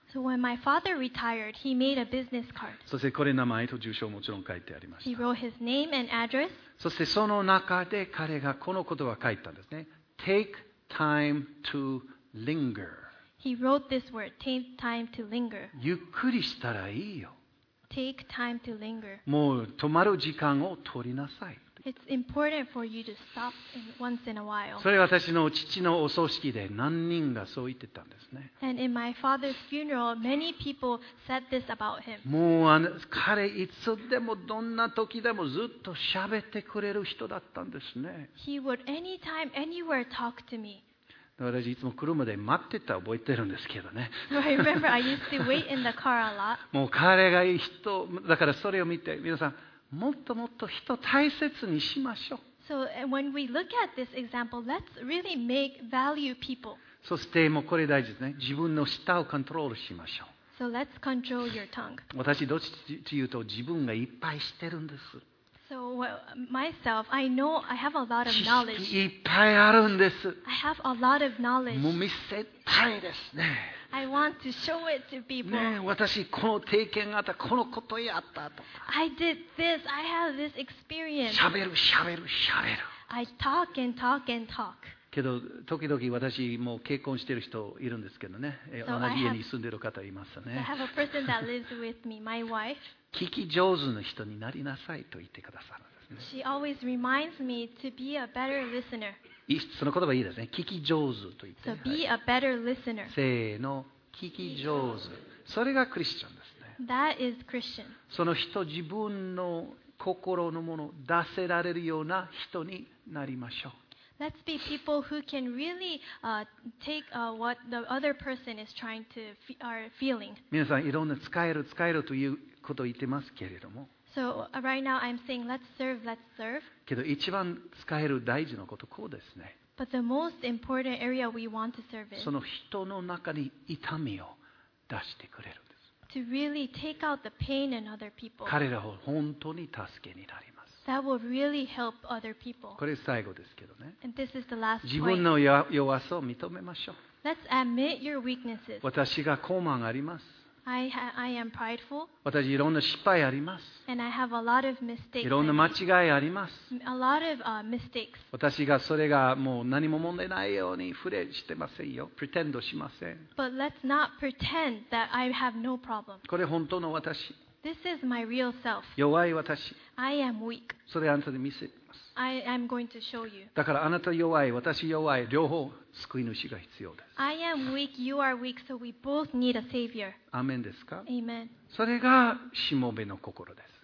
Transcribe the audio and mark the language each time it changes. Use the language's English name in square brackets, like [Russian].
[English] So when my father retired, he made a business card. [Japanese] そしてこれ名前と住所もちろん書いてありました。 [English] He wrote his name and address. [Japanese] そしてその中で彼がこの言葉を書いたんですね。 [English] Take time to linger. He wrote this word, take time to linger. [Japanese] ゆっくりしたらいいよ。 [English] Take time to linger. [Japanese] もう止まる時間を取りなさい。 [English] It's important for you to stop once in a while. [Japanese] それは私の父のお葬式で何人がそう言ってたんですね。 [English] And in my father's funeral, many people said this about him. [Japanese] もう彼いつでもどんな時でもずっと喋ってくれる人だったんですね。 [English] He would anytime, anywhere talk to me. [Japanese] 私いつも車で待ってた覚えてるんですけどね。 [English] So I remember I used to wait in the car a lot. [Japanese] もう彼がいい人だからそれを見て皆さん。もっともっと人を大切にしましょう。 [English] So when we look at this example, let's really make value people. [Japanese] そしてもうこれ大事ですね。自分の舌をコントロールしましょう。 [English] So let's control your tongue. [Japanese] 私どっちというと自分がいっぱい知ってるんです。 [English] So myself, I know I have a lot of knowledge. [Japanese] 知識いっぱいあるんです。 [English] I have a lot of knowledge. [Japanese] もう見せたいですね。 [English] I want to show it to people. [Japanese] ね、私この経験があった、このことやったとか。 [English] I did this. I have this experience. [Japanese] 喋る、喋る、喋る。 [English] I talk and talk and talk. [Japanese] けど時々私も結婚してる人いるんですけどね。同じ家に住んでる方いますね。 [English] I have a person that lives with me, my wife. [Japanese] 聞き上手の人になりなさいと言ってくださるんですね。 [English] She always reminds me to be a better listener. [Japanese] その言葉いいですね。聞き上手と言って。 [English] So be a better listener. [Japanese] せーの、聞き上手。それがクリスチャンですね。 [English] That is Christian. [Japanese] その人、自分の心のものを出せられるような人になりましょう。 [English] Let's be people who can really take what the other person is trying to are feeling. [Japanese] 皆さん、いろんな使える使えるということを言ってますけれども。 [English] So right now I'm saying let's serve, let's serve. [Japanese] けど一番使える大事なことこうですね。 [English] But the most important area we want to serve is. [Japanese] その人の中に痛みを出してくれるんです。 [English] To really take out the pain in other people. [Japanese] 彼らを本当に助けになります。 [English] That will really help other people. [Japanese] これ最後ですけどね。 [English] And this is the last point. [Japanese] 自分の弱さを認めましょう。 [English] Let's admit your weaknesses. [Japanese] 私が傲慢あります。 [English] I am prideful. [Japanese] 私いろんな失敗あります。 [English] And I have a lot of mistakes. [Japanese] いろんな間違いあります。 [English] A lot of mistakes. [Japanese] 私がそれがもう何も問題ないようにフレしてませんよ。 Pretend しません。 [English] But let's not pretend that I have no problem. [Japanese] これ本当の私。 [English] This is my real self. [Japanese] 弱い私。 [English] I am weak. [Japanese] それあなたに見せます。 [English] I am going to show you. [Japanese] だからあなた弱い、私弱い、両方。救い主が必要です。 [English] I am weak, you are weak, so we both need a savior. [Japanese] アメンですか？ [English] Amen. [Japanese] それがしもべの心です。